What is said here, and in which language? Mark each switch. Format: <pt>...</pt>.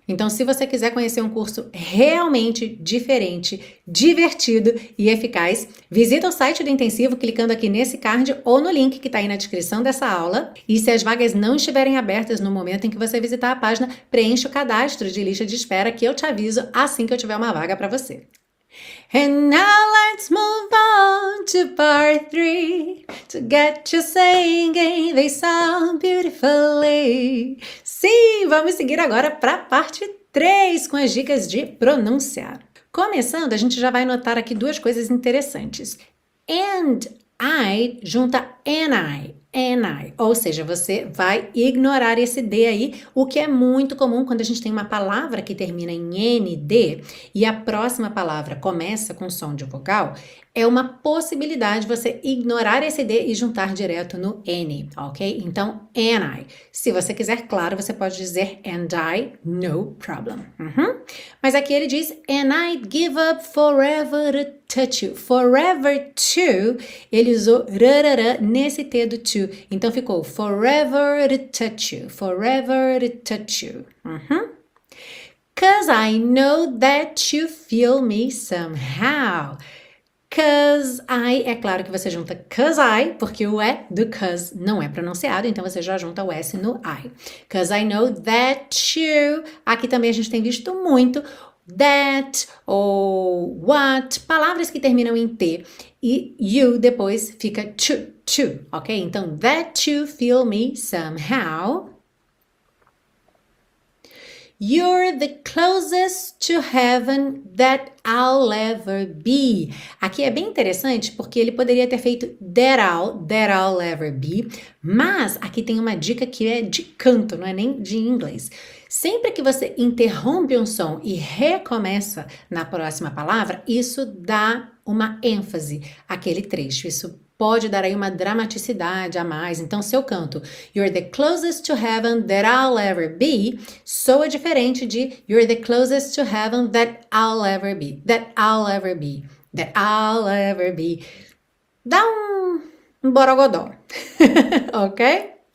<pt>Então, se você quiser conhecer um curso realmente diferente, divertido e eficaz, visita o site do Intensivo clicando aqui nesse card ou no link que está aí na descrição dessa aula. E se as vagas não estiverem abertas no momento em que você visitar a página, preencha o cadastro de lista de espera que eu te aviso assim que eu tiver uma vaga para você.</pt> <en>And now let's move on to part three, to get you singing this song beautifully.</en> <pt>Sim, vamos seguir agora para a parte 3 com as dicas de pronunciar. Começando, a gente já vai notar aqui duas coisas interessantes. And I junta and I, ou seja, você vai ignorar esse D aí, o que é muito comum quando a gente tem uma palavra que termina em ND e a próxima palavra começa com som de vogal, é uma possibilidade você ignorar esse D e juntar direto no N, ok? Então, and I. Se você quiser, claro, você pode dizer and I,</pt> <en>no problem.</en> <pt>Mas aqui ele diz,</pt> <en>and I'd give up forever to touch you.</en> <pt>Forever to, ele usou rarara nesse T do to. Então, ficou</pt> <en>forever to touch you. Forever to touch you. 'Cause I know that you feel me somehow.</en> <pt>'Cause I, é claro que você junta 'cause I, porque o E do 'cause não é pronunciado, então você já junta o S no I.</pt> <en>'Cause I know that you.</en> <pt>Aqui também a gente tem visto muito that ou what, palavras que terminam em T e you depois fica to, ok?</pt> <en>Então, that you feel me somehow. You're the closest to heaven that I'll ever be.</en> <pt>Aqui é bem interessante porque ele poderia ter feito</pt> <en>that I'll ever be,</en> <pt>mas aqui tem uma dica que é de canto, não é nem de inglês. Sempre que você interrompe um som e recomeça na próxima palavra, isso dá uma ênfase àquele trecho. Isso pode dar aí uma dramaticidade a mais. Então, se eu canto</pt> <en>You're the closest to heaven that I'll ever be,</en> <pt>soa diferente de</pt> <en>You're the closest to heaven that I'll ever be. That I'll ever be. That I'll ever be.</en> <pt>Dá um borogodó. Ok?</pt>